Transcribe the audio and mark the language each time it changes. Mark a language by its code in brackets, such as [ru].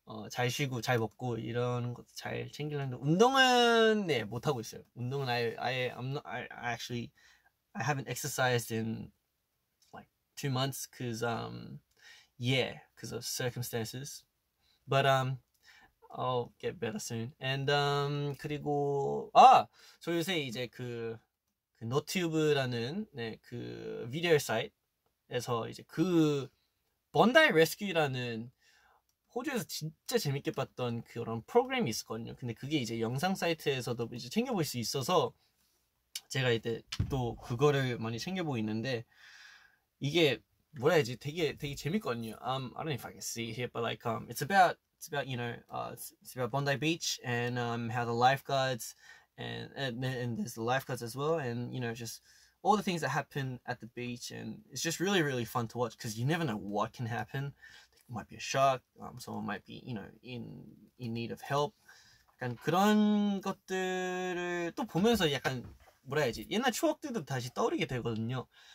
[ko] 잘 쉬고 잘 먹고 이런 것도 잘 챙기려는데 운동은 네, 못 하고 있어요. 운동은 [en] I I'm not I actually I haven't exercised in like 2 months because of circumstances. But I'll get better soon. And [ko] 그리고 아, 저 요새 이제 그 노튜브라는 네, 그 비디오 사이트에서 이제 그 번다이 레스큐라는 호주에서 진짜 재밌게 봤던 그런 프로그램이 있었거든요. 근데 그게 이제 영상 사이트에서도 이제 챙겨볼 수 있어서 제가 이제 또 그거를 많이 챙겨보고 있는데 이게 뭐라 해야지 되게 재밌거든요. [en] I don't know if I can see here, but like it's about you know it's about Bondi Beach and how the lifeguards and there's the lifeguards as well and you know just all the things that happen at the beach and it's just really really fun to watch because you never know what can happen. Might be a shark. Someone might be, you know, in need of help. [ko] 약간 그런 것들을 또 보면서 약간 뭐라 해야지 옛날 추억들도 다시 떠오르게 되거든요.